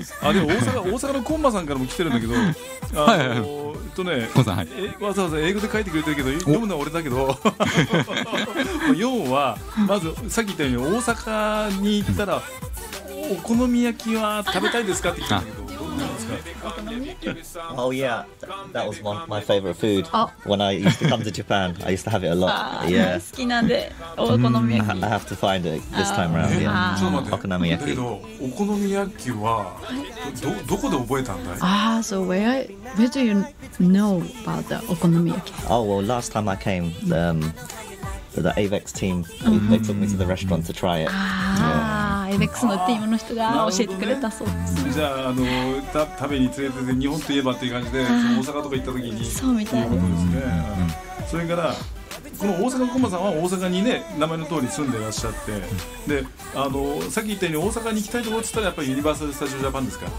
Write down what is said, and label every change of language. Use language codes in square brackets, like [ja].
[ja] あ、でも大阪のコンマさんからも来てるんだけど、はいはいはい、ね、コンさん、はい、わざわざ英語で書いてくれてるけど読むのは俺だけど、要はまずさっき言ったように大阪に行ったらお好み焼きは食べたいですかって聞いたんだけど、 [en] Oh yeah, that was one of my favorite food. When I used to come to Japan, I used to have it a lot. Yeah. [ja] 好きなんで、お好み焼き。 [en] I have to find it this time around. Yeah. [ja] ちょっと待って。お好み焼き。お好み焼きはどこで覚えたんだい？ [en] Ah, so where do you know about the okonomiyaki? Oh well, last time I came, the AVEX team, they took me to the restaurant to try it. [ja] AVEX のチームの人が教えてくれたそうです。じゃあ、あの、食べに連れてて日本といえばっていう感じで、その大阪とか行った時に。そうみたいですね。それからこの大阪コマさんは大阪にね、名前の通り住んでらっしゃって、で、あの、さっき言ったように大阪に行きたいところって言ったらやっぱりユニバーサルスタジオジャパンですか。